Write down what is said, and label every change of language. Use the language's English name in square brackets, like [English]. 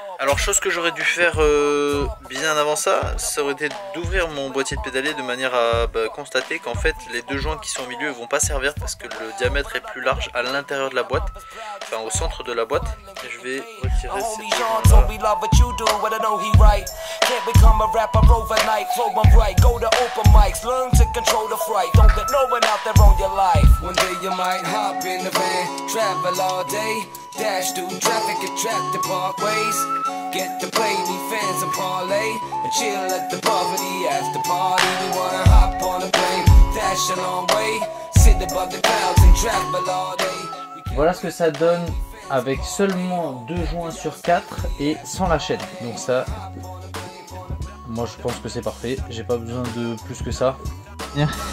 [French] Alors chose que j'aurais dû faire bien avant ça, ça aurait été d'ouvrir mon boîtier de pédalier de manière à constater qu'en fait les deux joints qui sont au milieu vont pas servir parce que le diamètre est plus large à l'intérieur de la boîte, enfin au centre de la boîte. Et je vais retirer cette joint-là. [English] Dash through traffic and trap the parkways. Get the play, defense and parlay. And chill at the poverty after party. We wanna hop on a plane, dash a long way. Sit above the clouds and travel all day. [French] Voilà ce que ça donne avec seulement 2 joints sur 4 et sans la chaîne. Donc ça, moi je pense que c'est parfait. J'ai pas besoin de plus que ça. Yeah.